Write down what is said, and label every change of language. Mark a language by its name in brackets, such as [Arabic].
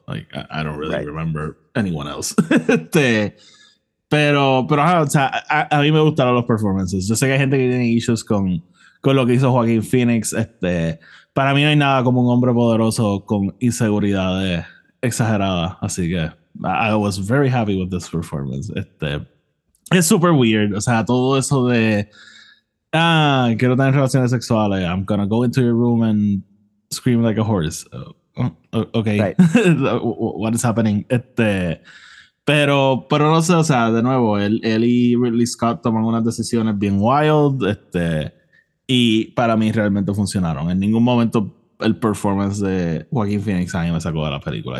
[English] Like, I don't really right. remember anyone else. [Spanish] pero, o sea, a mí me gustaron los performances. Yo sé que hay gente que tiene issues con lo que hizo Joaquin Phoenix, Para mí no hay nada como un hombre poderoso con inseguridades exageradas. Así que [English] I was very happy with this performance. [Spanish] Es super weird. O sea, todo eso de... quiero tener relaciones sexuales. [English] I'm gonna go into your room and scream like a horse. Okay. Right. What is happening? [Spanish] Pero no sé. O sea, de nuevo, él y Ridley Scott toman unas decisiones bien wild. Y para mí realmente funcionaron. En ningún momento el performance de Joaquin Phoenix a mí me sacó de la película.